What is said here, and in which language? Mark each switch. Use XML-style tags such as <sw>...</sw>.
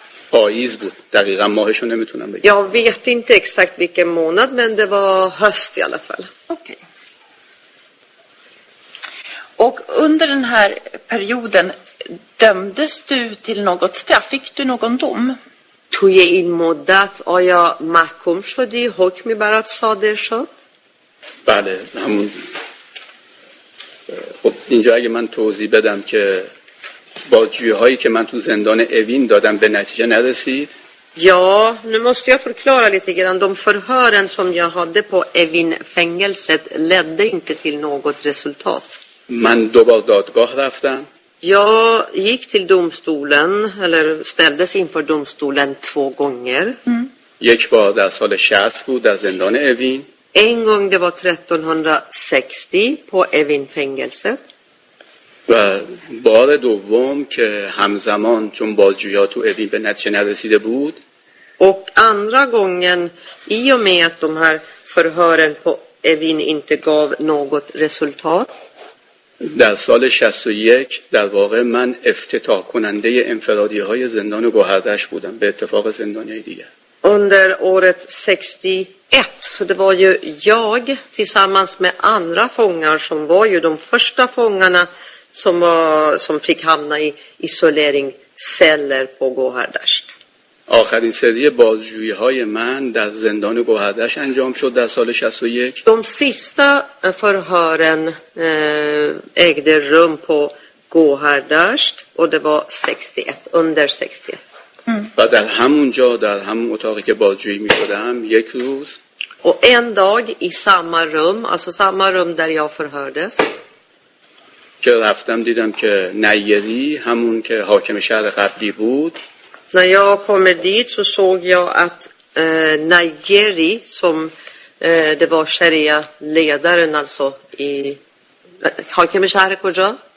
<fa>Paiz bud. Daqiqan mahesho nemitunam begam.</fa> <sv>Jag vet inte exakt vilken månad, men det var höst i alla fall. Okej. Okay. Och under den här perioden dömdes du till något straff? Fick du någon dom?</sv> <fa>توی این مدت آیا محکوم شدی؟ حکمی برات صادر شد؟ بله، همون. خب اینجا اگه من توضیح بدم که بازجویی‌هایی که من تو زندان اوین دادم به نتیجه نرسید؟</fa> <sv>Ja, nu måste jag förklara lite grann. De förhören som jag hade på Evin fängelset ledde inte till något resultat.</sv> <fa>من دوبار دادگاه رفتم.</fa> <sv>Jag gick till domstolen eller ställdes inför domstolen två gånger.</sv> <fa>یک بار در سال 60 بود در زندان اوین.</fa> <sv>En gång det var 1360 på Evin fängelset.</sv> <fa>و بار دوم که همزمان چون بازجویی‌ها تو اوین به نتیجه نرسیده بود.</fa> <sv>Och andra gången i och med att de här förhören på Evin inte gav något resultat.</sv> <fa>در سال 61 در واقع من افتتاح کننده انفرادی های زندان گوهردشت بودم به اتفاق زندانی دیگه.</fa> <sv>Under året 61 så det var ju jag tillsammans med andra fångar som var ju de första fångarna som fick hamna i isolering celler på Gohardasht.</sv> <fa>آخرین سری بازجویی های من در زندان گوهردشت انجام شد در سال 61.</fa> <sv>De sista förhören ägde rum på Gohardasht och det var 61, under 61.</sv> <fa>و در همونجا در همون اتاقی که بازجویی می شدم یک روز.</fa> <sv>Och en dag i samma rum, alltså samma rum där jag förhördes.</sv> <fa>که رفتم دیدم که نیری همون که حاکم شهر قبلی بود.</fa> <sv>När jag kom dit så såg jag att Najeri, som det var sharia ledaren alltså i Hakim Shahr Koja.</sv>